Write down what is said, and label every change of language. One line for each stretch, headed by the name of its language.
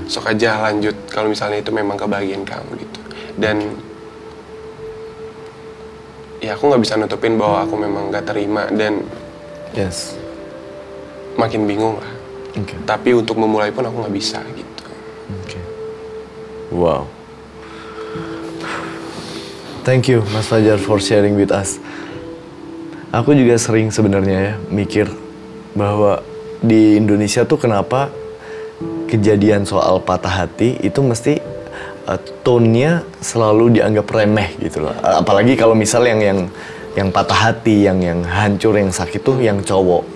Indonesian: Sok aja lanjut kalau misalnya itu memang kebahagiaan kamu gitu. Dan... Okay. Ya aku gak bisa nutupin bahwa aku memang gak terima dan... Yes. Makin bingung lah. Oke. Okay. Tapi untuk memulai pun aku gak bisa gitu. Oke. Okay. Wow.
English: Thank you Mas Fajar for sharing with us.
Indonesian: Aku juga sering sebenarnya ya mikir bahwa di Indonesia tuh kenapa kejadian soal patah hati itu mesti... tone-nya selalu dianggap remeh gitu lah. Apalagi kalau misal yang patah hati, yang hancur, yang sakit tuh yang cowok.